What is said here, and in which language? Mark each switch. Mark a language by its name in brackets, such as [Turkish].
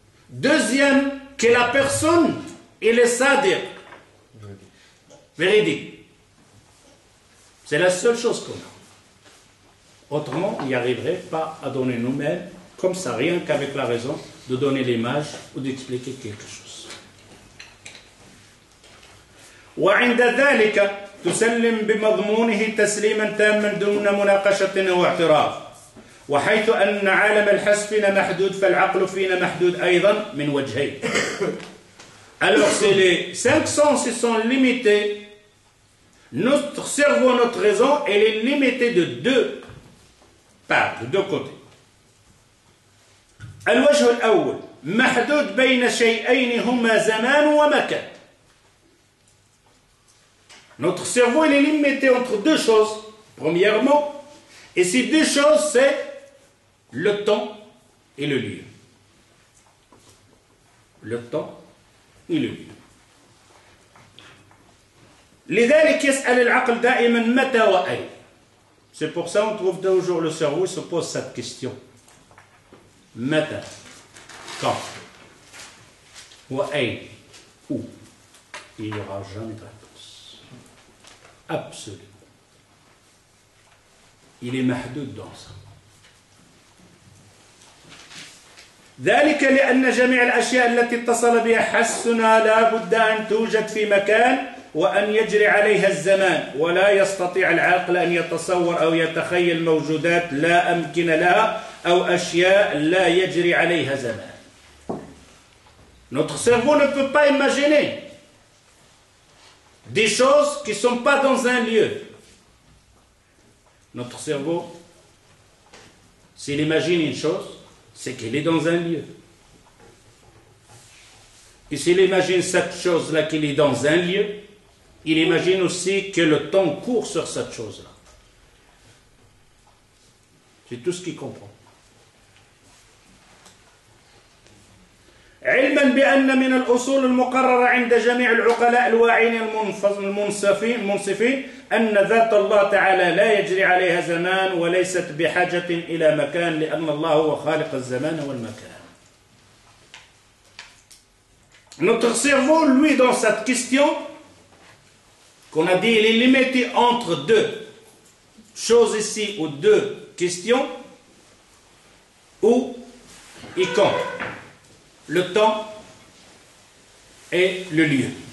[French] Deuxième, que la personne, il est sadir. Véridique. C'est la seule chose qu'on a. Autrement, on n'y arriverait pas à donner nous-mêmes, comme ça, rien qu'avec la raison, de donner l'image ou d'expliquer quelque chose. [Arabic] Wa inda dhalika. تسلم بمضمونه تسليما تاما دون مناقشة أو اعتراف وحيث أن عالم الحس فينا محدود فالعقل فينا محدود أيضا من وجهين. [French] Alors si les cinq sens sont limités, notre cerveau, notre raison, elle est limitée de deux parts, de deux côtés. [Arabic] الوجه الأول محدود بين شيئين هما زمان ومكان. [French] Notre cerveau est limité entre deux choses, premièrement, et ces deux choses, c'est le temps et le lieu. Le temps et le lieu. [Arabic] لذلك يسأل العقل دائما متى وأين. [French] C'est pour ça qu'on trouve toujours le cerveau qui se pose cette question. متى, quand, وأين, où. Il n'y aura jamais de réponse. Absolument. Il est mahdoud dans ça. [Arabic] ذلك لأن جميع الأشياء التي اتصل بها حسنا لا بد أن توجد في مكان وأن يجري عليها الزمان ولا يستطيع العقل أن يتصور أو يتخيل موجودات لا أمكن لها أو أشياء لا يجري عليها زمان. [French] Notre cerveau ne peut pas imaginer des choses qui ne sont pas dans un lieu. Notre cerveau, s'il imagine une chose, c'est qu'il est dans un lieu. Et s'il imagine cette chose-là qu'il est dans un lieu, il imagine aussi que le temps court sur cette chose-là. C'est tout ce qu'il comprend. [Arabic] علما بأن من الأصول المقررة عند جميع العقلاء الواعين المنصفين أن ذات الله تعالى لا يجري عليها زمان وليست بحاجة إلى مكان لأن الله هو خالق الزمان والمكان. [French] Notre cerveau, lui, dans cette question qu'on a dit, il est limité entre deux choses ici ou deux questions, où et quand. Le temps et le lieu.